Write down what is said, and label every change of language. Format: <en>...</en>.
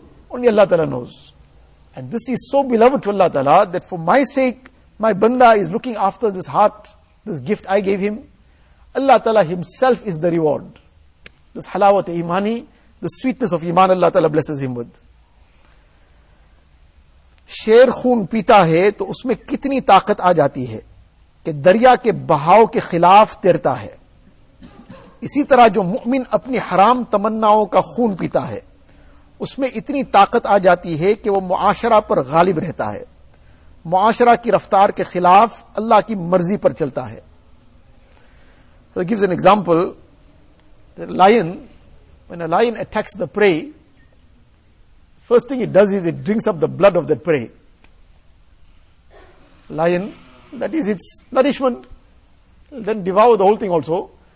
<en>Only Allah Ta'ala knows. And this is so beloved to Allah Ta'ala that for my sake, my banda is looking after this heart, this gift I gave him. Allah Ta'ala himself is the reward. This halawat-e-imani, the sweetness of iman Allah Ta'ala blesses him with.</en> <ur>شیر خون پیتا ہے تو اس میں کتنی طاقت آ جاتی ہے کہ دریا کے بہاؤ کے خلاف تیرتا ہے. اسی طرح جو مؤمن اپنی حرام تمناؤں کا خون پیتا ہے اس میں اتنی طاقت آ جاتی ہے کہ وہ معاشرہ پر غالب رہتا ہے, معاشرہ کی رفتار کے خلاف اللہ کی مرضی پر چلتا ہے.</ur> <en>So it gives an example. The lion, when a lion attacks the prey, first thing it does is it drinks up the blood of that prey. Lion, that is its nourishment. It'll then devour the whole thing also.</en>